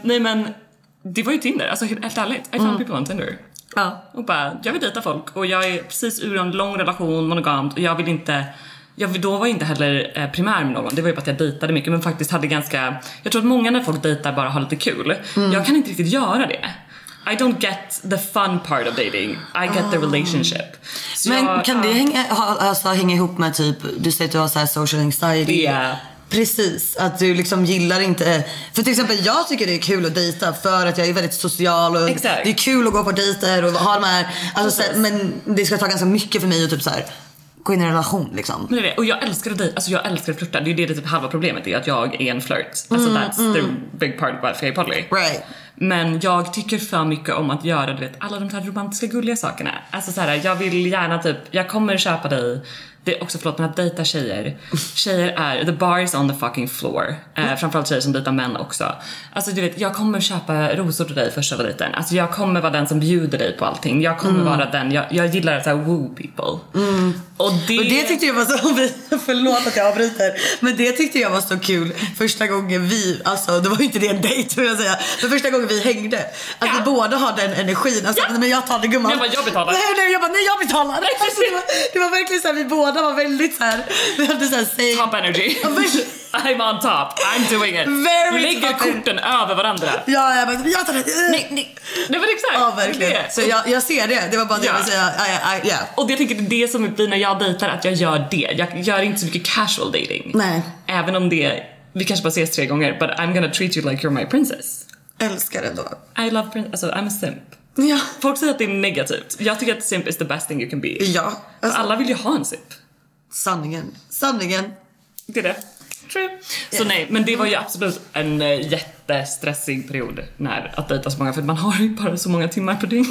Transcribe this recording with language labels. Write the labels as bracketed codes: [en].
[sv] Nej, men det var ju Tinder. Alltså, helt ärligt. [en] I found people on Tinder. [sv] Ja. Och bara, jag vill dejta folk. Och jag är precis ur en lång relation, monogamt. Och jag vill inte... Då var jag inte heller primär med någon. Det var ju bara att jag dejtade mycket. Men faktiskt hade ganska... Jag tror att många när folk dejtar bara har lite kul. Jag kan inte riktigt göra det. [en] I don't get the fun part of dating. I get the relationship. [sv] Så men jag, kan det hänga ihop med typ... Du säger att du har så här [en] social anxiety. [sv] Ja. [en] Yeah. [sv] Precis, att du liksom gillar inte... För till exempel, jag tycker det är kul att dejta, för att jag är väldigt social och... Exakt. Det är kul att gå på dejter och ha de här... Alltså, men det ska ta ganska mycket för mig och typ så här... gå in i en relation liksom. Men det är, och jag älskar att dejta, alltså jag älskar att flirta. Det är det typ halva problemet, är att jag är en flirt. Alltså [en] that's the big part about Faye Podley. Right. [sv] Men jag tycker för mycket om att göra, du vet, alla de här romantiska gulliga sakerna. Alltså så här, jag vill gärna typ, jag kommer köpa dig. Det är också, förlåt, men att dejta tjejer. Tjejer är, [en] the bar is on the fucking floor. [sv] Framförallt tjejer som dejtar män också. Alltså du vet, jag kommer köpa rosor till dig första dejten. Alltså jag kommer vara den som bjuder dig på allting. Jag kommer vara den, jag gillar att så här, [en] woo people. Mm. [sv] Och det tyckte jag var så, förlåt att jag avbryter, men det tyckte jag var så kul. Första gången vi, alltså det var ju inte det en dejt vill jag säga, men första gången vi hängde. Att vi båda har den energin. Alltså men jag tar det gumman. Nej, jag betalar. Nej, jag betalar. Alltså, det var verkligen så här, vi båda. Båda var väldigt såhär, vi hade såhär [en] same top energy. I'm on top, I'm doing it. Very [sv] lägger [en] top [sv] korten in över varandra. Ja, jag bara, jag tar det. Nej. Det var liksom, ja, verkligen. Så jag ser det, det var bara det jag ville säga. Och jag tänker, det som blir när jag dejtar, att jag gör det. Jag gör inte så mycket casual dating. Nej. Även om det, vi kanske bara ses tre gånger. [en] But I'm gonna treat you like you're my princess. [sv] Älskar det då. [en] I love princess, [sv] alltså [en] I'm a simp. [sv] Ja. Folk säger att det är negativt. Jag tycker att [en] simp is the best thing you can be. [sv] Ja, alltså, alla vill ju ha en simp. Sanningen. Det är det. [en] True. Yeah. [sv] Så nej, men det var ju absolut en jättestressig period när att dejta så många, för man har ju bara så många timmar på dygn.